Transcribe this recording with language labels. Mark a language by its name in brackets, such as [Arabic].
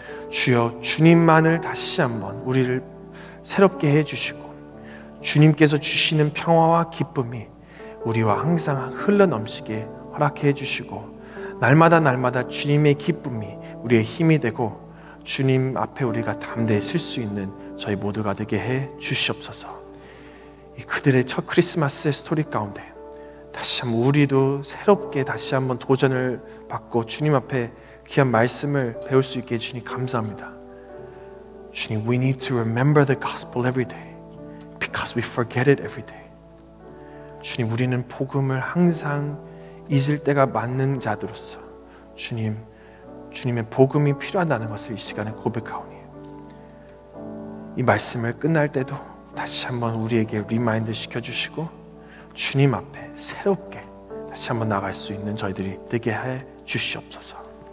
[Korean] 주여, 주님만을 다시 한번 우리를 새롭게 해주시고, 주님께서 주시는 평화와 기쁨이 우리와 항상 흘러넘치게 허락해 주시고, 날마다 날마다 주님의 기쁨이 우리의 힘이 되고 주님 앞에 우리가 담대히 설 수 있는 저희 모두가 되게 해 주시옵소서. 이 그들의 첫 크리스마스의 스토리 가운데 다시 한번 우리도 새롭게 다시 한번 도전을 받고 주님 앞에 귀한 말씀을 배울 수 있게 해주니 감사합니다. 주님, [English] we need to remember the gospel every day because we forget it every day. [Korean] 주님, 우리는 복음을 항상 잊을 때가 맞는 자들로서 주님, 주님의 복음이 필요하다는 것을 이 시간에 고백하오니, 이 말씀을 끝날 때도 다시 한번 우리에게 리마인드 시켜주시고 주님 앞에 새롭게 다시 한번 나갈 수 있는 저희들이 되게 해 주시옵소서.